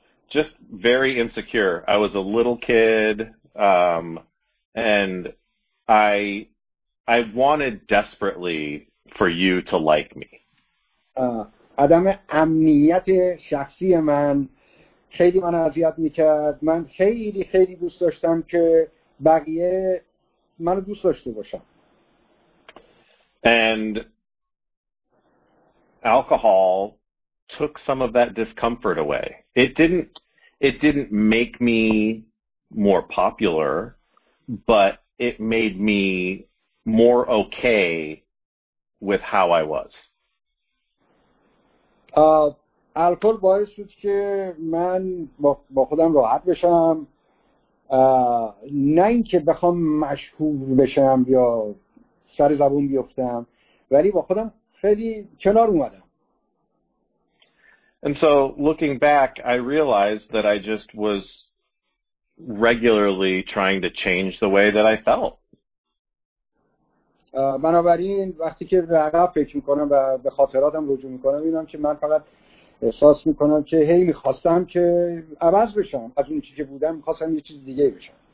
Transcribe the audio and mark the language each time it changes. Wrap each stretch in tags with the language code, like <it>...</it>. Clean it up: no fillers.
<en>Just very insecure. I was a little kid, and I wanted desperately for you to like me.</en> <fa>عدم امنیت شخصی من خیلی من اذیت میکرد. من خیلی خیلی دوست داشتم که بقیه منو دوست داشته باشن.</fa> <en>And alcohol took some of that discomfort away. It didn't make me more popular, but it made me more okay with how I was.</en> <fa>الکل باعث شد که من با خودم راحت بشم، نه اینکه بخوام مشهور بشم یا سر زبون بیفتم، ولی با خودم خیلی کنار اومدم.</fa> <en>And so looking back, I realized that I just was regularly trying to change the way that I felt.</en> <fa>بنابراین وقتی که به عقب فکر میکنم و به خاطراتم رجوع میکنم، اینم که من فقط احساس میکنم که هی میخواستم که عوض بشم، از اون چیزی که بودم میخواستم یه چیز دیگه بشم.</fa>